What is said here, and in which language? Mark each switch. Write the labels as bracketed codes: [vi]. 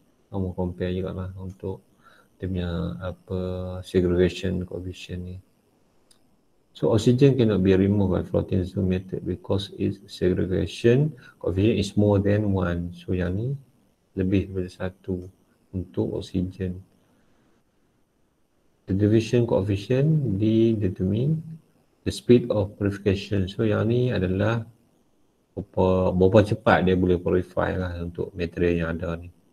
[ms] Kamu compare juga lah untuk dia punya apa segregation coefficient ni. [en] So oxygen cannot be removed by floating zone method because its segregation coefficient is more than 1. [ms] So yang ni lebih daripada 1 untuk oxygen. [en] The division coefficient di determine the speed of purification. [ms] So yang ni adalah berapa cepat dia boleh purify lah untuk material yang ada ni.